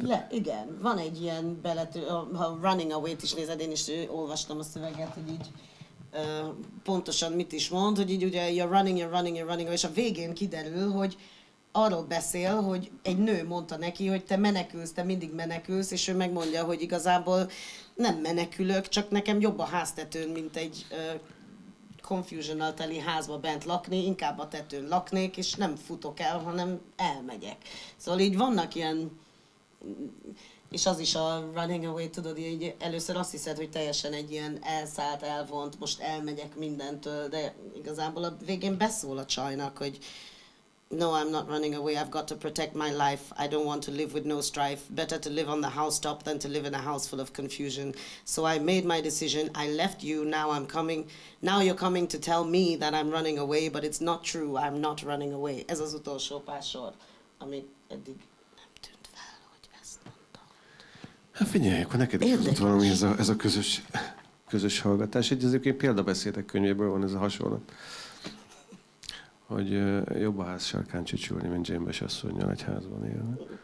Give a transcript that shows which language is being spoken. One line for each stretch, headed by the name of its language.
Hungarian: Igen, van egy ilyen beletű, ha Running Away-t is nézed, én is olvastam a szöveget, hogy így pontosan mit is mond, hogy így ugye
English: you're running,
Hungarian: és a végén kiderül, hogy arról beszél, hogy egy nő mondta neki, hogy te menekülsz, te mindig menekülsz, és ő megmondja, hogy igazából nem menekülök, csak nekem jobb a háztetőn, mint egy confusional teli házba bent lakni, inkább a tetőn laknék, és nem futok el, hanem elmegyek. Szóval így vannak ilyen, és az is a Running Away, tudod, így először azt hiszed, hogy teljesen egy ilyen elszállt, elvont, most elmegyek mindentől, de igazából a végén beszól a csajnak, hogy
English: No, I'm not running away. I've got to protect my life. I don't want to live with no strife. Better to live on the housetop than to live in a house full of confusion. So I made my decision. I left you. Now I'm coming. Now you're coming to tell me that I'm running away, but it's not true. I'm not running away.
Hungarian: Ez az utolsó pár sor. Amit eddig nem tűnt fel, hogy ezt mondtam. Hát figyelj, akkor neked is tudott valami ez a közös hallgatás. Egyébként példabeszédek könyvéből van ez a hasonlat. Hogy jobb a ház sarkán csücsülni, mint James asszonnyal egy házban élni.